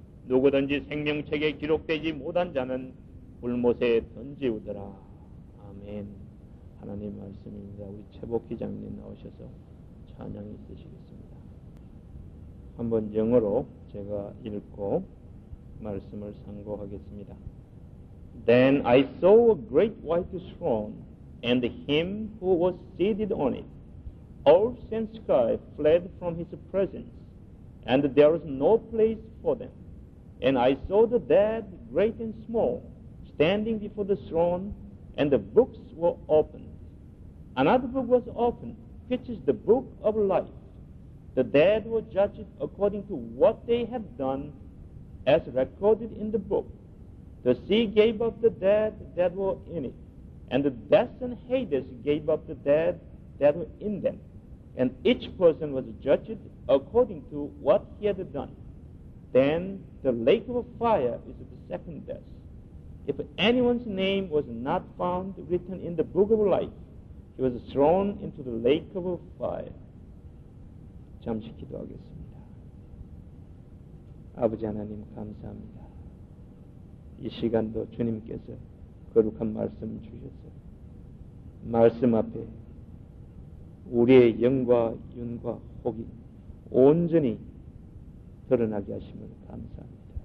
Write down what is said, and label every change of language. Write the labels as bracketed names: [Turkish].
[Korean] 누구든지 생명책에 기록되지 못한 자는 불못에 던지우더라. 아멘. 하나님 말씀입니다. 우리 최복 기장님 나오셔서 찬양이 있으시겠습니다. 한번 영어로 제가 읽고 말씀을 상고하겠습니다. [English] Then I saw a great white throne and him who was seated on it. Earth and sky fled from his presence and there was no place for them. And I saw the dead, great and small, standing before the throne and the books were opened. Another book was opened, which is the book of life. The dead were judged according to what they had done, as recorded in the book. The sea gave up the dead that were in it, and the death and Hades gave up the dead that were in them. And each person was judged according to what he had done. Then the lake of fire is the second death. If anyone's name was not found written in the book of life, He was thrown into the lake of fire. [Korean] 잠시 기도하겠습니다. 아버지 하나님 감사합니다. 이 시간도 주님께서 거룩한 말씀 주셔서 말씀 앞에 우리의 영과 윤과 혹이 온전히 드러나게 하심을 감사합니다.